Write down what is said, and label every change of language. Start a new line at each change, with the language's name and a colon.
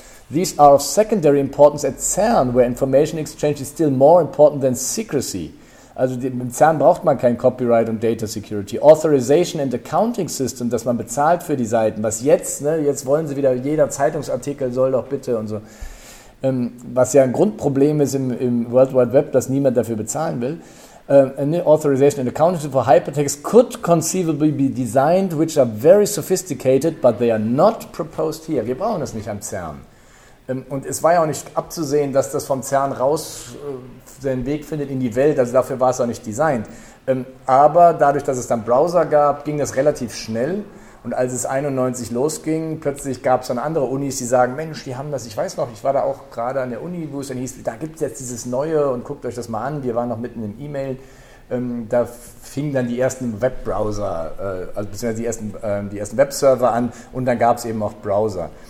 English: These are of secondary importance at CERN, where information exchange is still more important than secrecy.
German: Also im CERN braucht man kein Copyright und Data Security.
English: Authorization and Accounting System,
German: dass man bezahlt für die Seiten. Was jetzt, ne, jetzt wollen sie wieder, jeder Zeitungsartikel soll doch bitte und so. Was ja ein Grundproblem ist im World Wide Web, dass niemand dafür bezahlen will.
English: Authorization and Accounting System for Hypertext could conceivably be designed, which are very sophisticated, but they are not proposed here.
German: Wir brauchen das nicht am CERN. Und es war ja auch nicht abzusehen, dass das vom CERN raus seinen Weg findet in die Welt, also dafür war es auch nicht designed. Aber dadurch, dass es dann Browser gab, ging das relativ schnell und als es 91 losging, plötzlich gab es dann andere Unis, die sagen, Mensch, die haben das, ich weiß noch, ich war da auch gerade an der Uni, wo es dann hieß, da gibt es jetzt dieses Neue und guckt euch das mal an, wir waren noch mitten im E-Mail, da fingen dann die ersten Webbrowser, also beziehungsweise die ersten Webserver an und dann gab es eben auch Browser.